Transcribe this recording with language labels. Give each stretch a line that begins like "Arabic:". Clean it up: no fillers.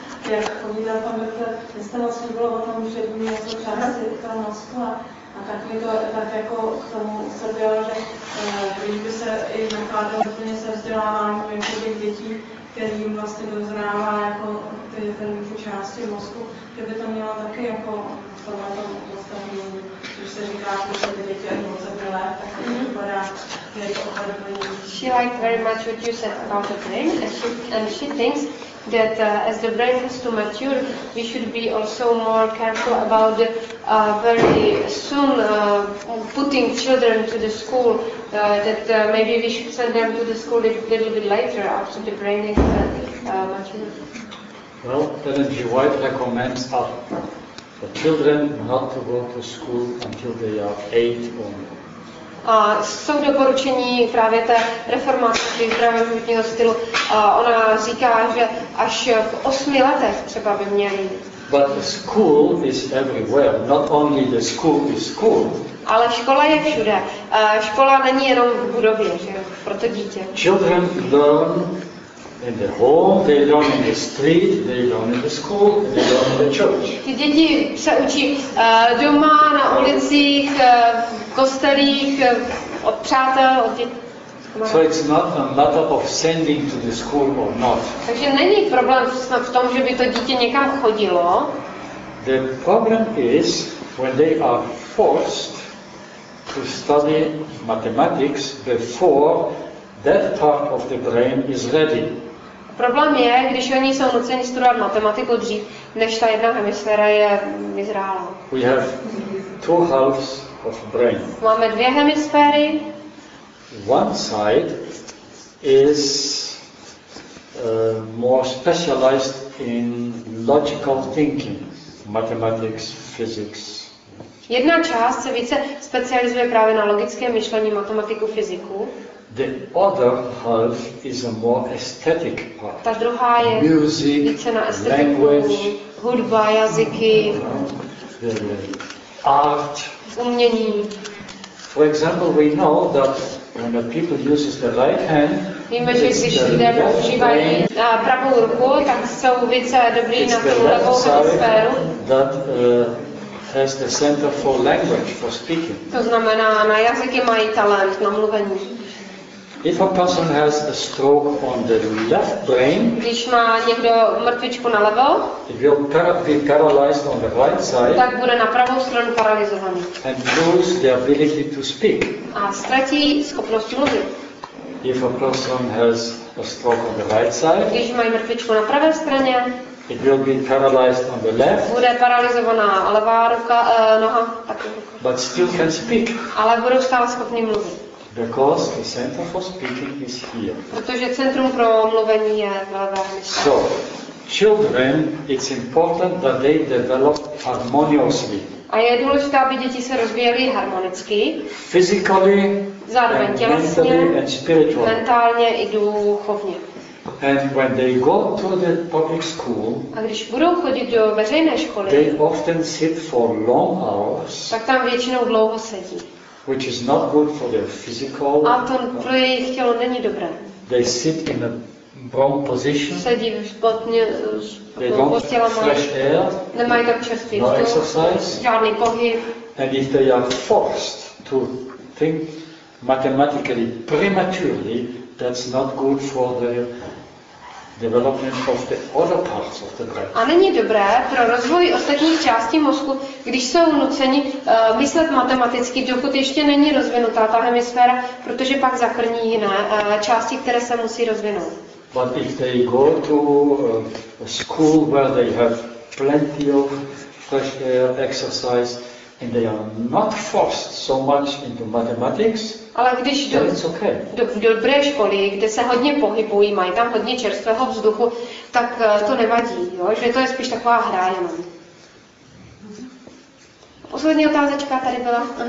Czech: Jak povídá pan doktor, vy jste vlastně bylo o tom, že mě jsou části ta mozku a tak mi to tak jako k tomu usadilo, že když by se i nakládal úplně se vzdělávání jako těch dětí, kterým vlastně dozrává jako ty první části mozku, že by to mělo taky jako tohle to postavení, když se říká, že se ty děti jako zabrlé, tak to vypadá, že je to ohledný.
English: She liked very much what you said about the brain, and she thinks that as the brain has to mature, we should be also more careful about very soon putting children to the school, that maybe we should send them to the school a little bit later after the brain is mature. Well, Ellen G. White recommends that the children not to go to school until they are 8 or more.
Czech: jsou doporučení právě té reformace zdravého životního stylu. Ona říká, že až v 8 letech třeba by měli.
English: But school is everywhere, not only the school is school.
Czech: Ale škola je všude. Škola není jenom v budově, že jo, pro to dítě.
English: Children learn in the home, they learn in the street, they learn in the school, they learn in the church.
Czech: Ty děti se učí doma, na ulicích, v kostelích, od přátel, od dětí.
English: So it's not a matter of sending to the school or not.
Czech: Takže není problém v tom, že by to dítě někam chodilo.
English: The problem is when they are forced to study mathematics before that part of the brain is ready.
Czech: Problém je, když oni jsou nuceni studovat matematiku dřív, než ta jedna hemisféra je vyzrála.
English: We have two halves of brain.
Czech: Máme dvě hemisféry.
English: One side is more specialized in logical thinking, mathematics, physics.
Czech: Jedna část se více specializuje právě na logické myšlení, matematiku, fyziku.
English: The other half is a more aesthetic part.
Czech: Ta druhá je
English: music,
Czech: více na estetiku,
English: language,
Czech: hudba, jazyky,
English: art,
Czech: umění.
English: For example, we know that when a people uses the right hand,
Czech: víme, že když lidé používají pravou ruku, tak jsou více dobrý na tu levou hemisféru.
English: That has the center for language, for speaking.
Czech: To znamená, na jazyky mají talent na mluvení.
English: If a person has a stroke on the left brain,
Czech: když má někdo mrtvičku na levo,
English: it will be paralyzed on the right side,
Czech: tak bude na pravou stranu paralyzovaný.
English: And lose the ability to speak.
Czech: A ztratí schopnost mluvit.
English: If a person has a stroke on the right side,
Czech: když má mrtvičku na pravé straně,
English: it will be paralyzed on the left,
Czech: bude paralyzovaná levá ruka, noha,
English: but still can speak.
Czech: Ale budou stále schopný mluvit.
English: Because the center for speaking is here.
Czech: Protože centrum pro mluvení je v levé hemisféře.
English: So, children, it's important that they develop harmoniously.
Czech: A je důležité, aby děti se rozvíjely harmonicky.
English: Physically,
Czech: zároveň tělesně,
English: and spiritually.
Czech: Mentálně i duchovně.
English: And when they go to the public school,
Czech: a když budou chodit do veřejné školy,
English: they often sit for long hours,
Czech: tak tam většinou dlouho sedí.
English: Which is not good for their physical.
Czech: A to pro jejich tělo není dobré.
English: They sit in a wrong position.
Czech: Sedí špatně.
English: They don't have fresh air.
Czech: Nemají tak čerstvý vzduch.
English: No exercise.
Czech: Žádný pohyb.
English: And if they are forced to think mathematically prematurely, that's not good for their development of the other parts of the brain.
Czech: A není dobré pro rozvoj ostatních částí mozku, když jsou nuceni myslet matematicky, dokud ještě není rozvinutá ta hemisféra, protože pak zakrní jiné části, které se musí rozvinout.
English: But if they go to a school where they have plenty of fresh air exercise, and they are not forced so much into mathematics.
Czech: Ale když do dobré školy, kde se hodně pohybují, mají tam hodně čerstvého vzduchu, tak to nevadí, jo? Že to je spíš taková hra jenom. Poslední otázečka tady byla.